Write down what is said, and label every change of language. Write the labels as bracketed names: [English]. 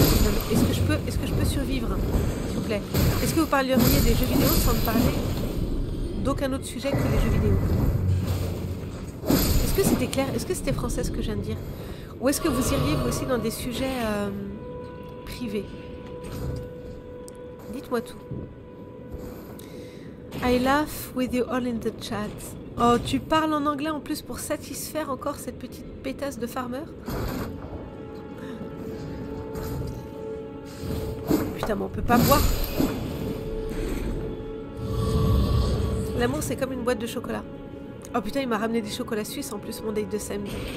[French] Est-ce que je peux survivre, s'il vous plaît? Est-ce que vous parleriez des jeux vidéo sans parler d'aucun autre sujet que des jeux vidéo? Est-ce que c'était clair? Est-ce que c'était français ce que je viens de dire? Ou est-ce que vous iriez vous aussi dans des sujets privés? Dites-moi tout. [English] I laugh with you all in the chat. [French] Oh, tu parles en anglais en plus pour satisfaire encore cette petite pétasse de farmer? Putain, mais on peut pas boire. L'amour, c'est comme une boîte de chocolat. Oh putain, il m'a ramené des chocolats suisses en plus, mon date de samedi.